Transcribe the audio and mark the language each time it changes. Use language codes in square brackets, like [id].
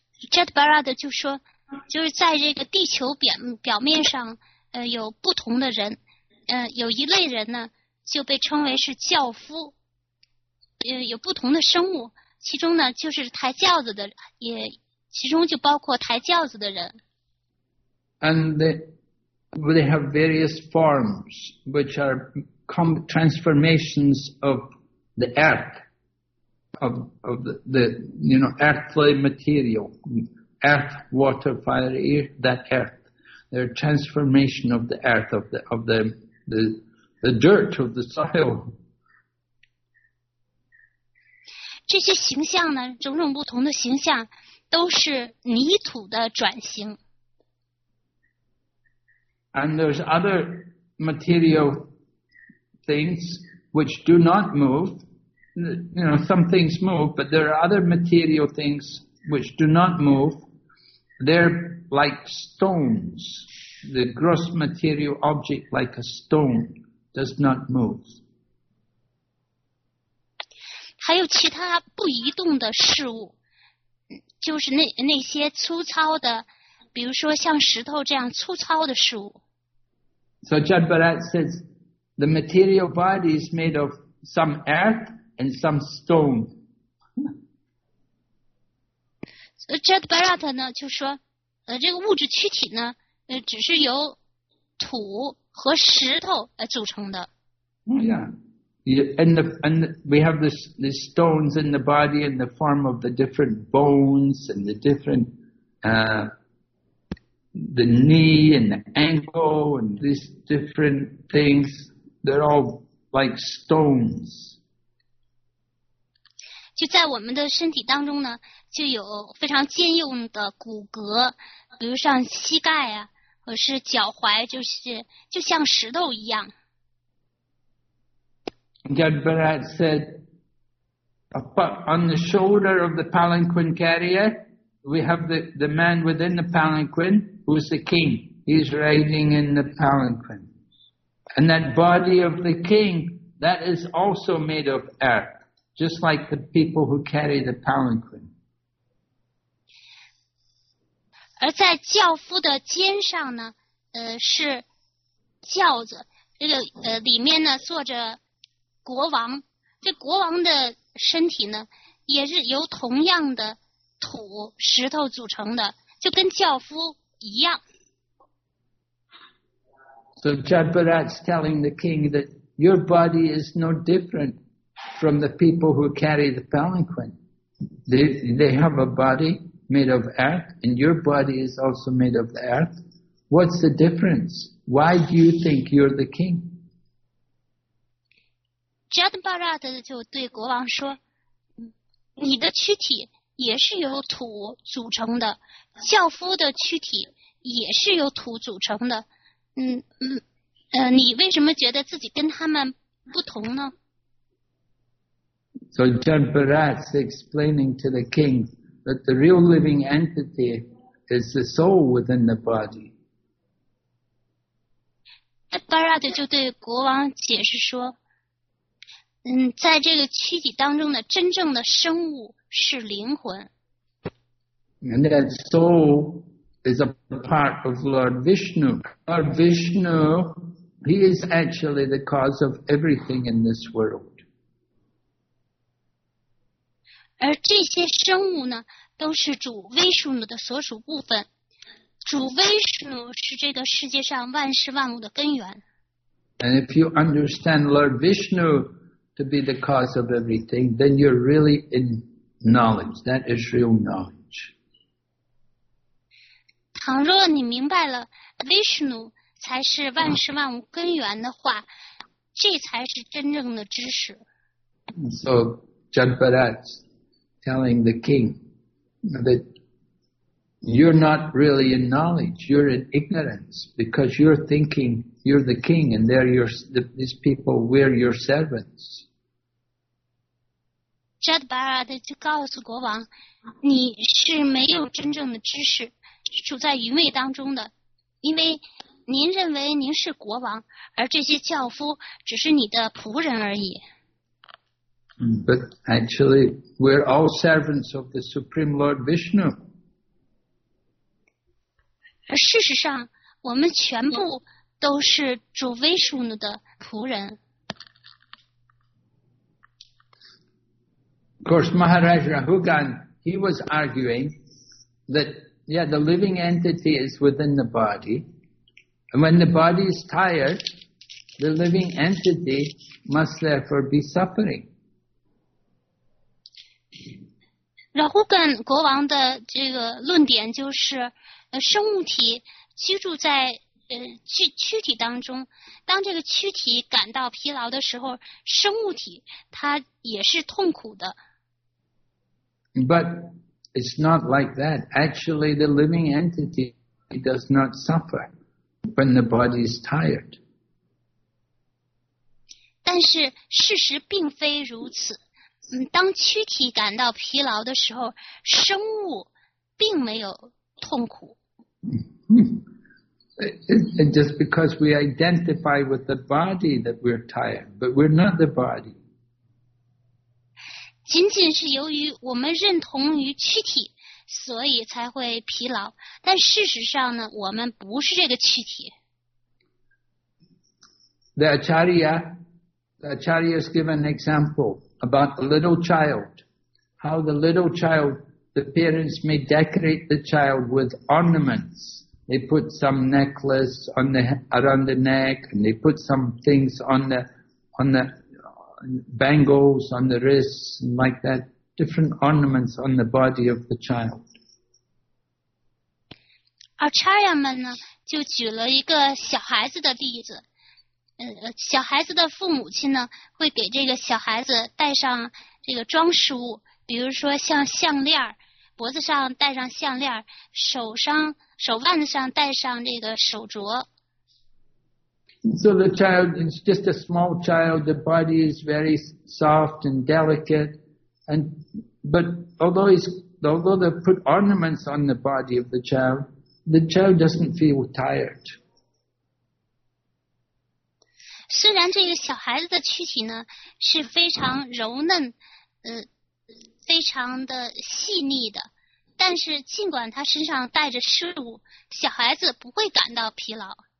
[zh] Jadbarat 就说，就是在这个地球表面上，有不同的人，有一类人呢，就被称为是轿夫，有不同的生物，其中呢，就是抬轿子的，也其中就包括抬轿子的人。 [en] And they have various forms, which are transformations of the earth.Of the earthly material, earth, water, fire, air, that earth. Their transformation of the earth, of the dirt, of the soil. [zh] 这些形象呢，种种不同的形象，都是泥土的转型。 [en] And there's other material things which do not move. You know, some things move, but there are other material things which do not move. They're like stones. The gross material object, like a stone, does not move. [zh] 还有其他不移动的事物，就是那些粗糙的，比如说像石头这样粗糙的事物。 [en] So Jad Bharat says, the material body is made of some earth and some stone. [zh] So Jad Bharat 呢就说，这个物质躯体呢，只是由土和石头组成的。 Yeah. [en] And we have the stones in the body in the form of the different bones and the different, the knee and the ankle and these different things. They're all like stones. [zh] 就在我们的身体当中呢，就有非常坚硬的骨骼，比如像膝盖啊，或是脚踝，就像石头一样。 [en] Jad Bharat said, on the shoulder of the palanquin carrier, we have the man within the palanquin, who is the king. He's riding in the palanquin. And that body of the king, that is also made of earth, just like the people who carry the palanquin. [zh] 而在轿夫的肩上呢，是轿子，里面呢坐着国王，这国王的身体呢，也是由同样的土石头组成的，就跟轿夫一样。 [en] So Jad Bharat's telling the king that your body is no different from the people who carry the palanquin. They have a body made of earth, and your body is also made of earth. What's the difference? Why do you think you're the king? [zh] Jad Bharat 就对国王说，你的躯体也是由土组成的，轿夫的躯体也是由土组成的，你为什么觉得自己跟他们不同呢？ [en] So Jad Bharat is explaining to the king that the real living entity is the soul within the body. [zh] Jad Bharat 就对国王解释说，在这个躯体当中的真正的生物是灵魂。 [en] And that soul is a part of Lord Vishnu. Lord Vishnu, he is actually the cause of everything in this world. [zh] 而这些生物呢，都是主威士努的所属部分。主威士努是这个世界上万事万物的根源。 [en] And if you understand Lord Vishnu,to be the cause of everything, then you're really in knowledge. That is real knowledge. [zh] 倘若你明白了 Vishnu 才是万事万物根源的话，这才是真正的知识。 [en] So Jad Bharat's telling the king that you're not really in knowledge, you're in ignorance, because you're thinking you're the king and these people, we're your servants. [zh] Jad Bharat 就告诉国王，你是没有真正的知识，处在愚昧当中的，因为您认为您是国王，而这些轿夫只是你的仆人而已。 [en] But actually, we're all servants of the Supreme Lord Vishnu. [zh] 而事实上，我们全部都是主威士努的仆人。 [en] Of course, Maharaj Rahugan, he was arguing that, yeah, the living entity is within the body. And when the body is tired, the living entity must therefore be suffering. [zh] 然后跟国王的这个论点就是生物体居住在躯体当中，当这个躯体感到疲劳的时候，生物体它也是痛苦的。 [en] But it's not like that. Actually, the living entity does not suffer when the body is tired. [zh] 但是事实并非如此。当躯体感到疲劳的时候，生物并没有痛苦。 [en] It's just because we identify with the body that we're tired, but we're not the body. [zh] 仅仅是由于我们认同于躯体，所以才会疲劳。但事实上呢，我们不是这个躯体。 [en] The Acharya has given an example about a little child, how the little child, the parents may decorate the child with ornaments. They put some necklace on the, around the neck, and they put some things on the bangles, on the wrists, and like that, different ornaments on the body of the child. [zh] Acharya 们呢，就举了一个小孩子的例子。小孩子的父母亲呢，会给这个小孩子带上这个装饰物，比如说像项链，脖子上戴上项链，手腕子上戴上这个手镯。 [en] So the child is just a small child. The body is very soft and delicate, but although they put ornaments on the body of the child doesn't feel tired. [zh] 虽然这个小孩子的躯体呢是非常柔嫩，非常的细腻的。但是尽管他身上带着事物，小孩子不会感到疲劳。